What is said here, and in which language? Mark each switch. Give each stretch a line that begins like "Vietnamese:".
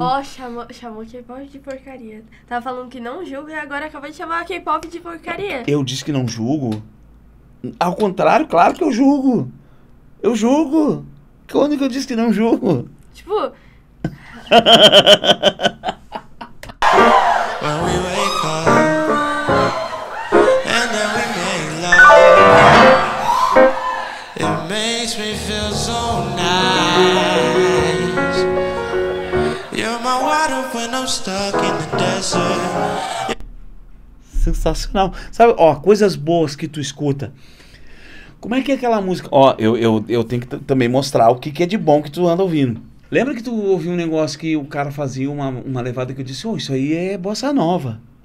Portuguese: Ó, chamou K-pop de porcaria. Tava falando que não julga e agora acabou de chamar K-pop de porcaria. Eu disse que não julgo. Ao contrário, claro que eu julgo. Eu julgo. Quando que eu disse que não julgo? Tipo...
English: When we wake up and then we make love, it makes me feel so nice. You're my water when I'm stuck in the desert.
Portuguese: Sensacional. Sabe, ó, coisas boas que tu escuta. Como é que é aquela música? Ó, eu tenho que também mostrar o que, que é de bom que tu anda ouvindo. Lembra que tu ouviu um negócio que o cara fazia uma levada que eu disse, isso aí é bossa nova.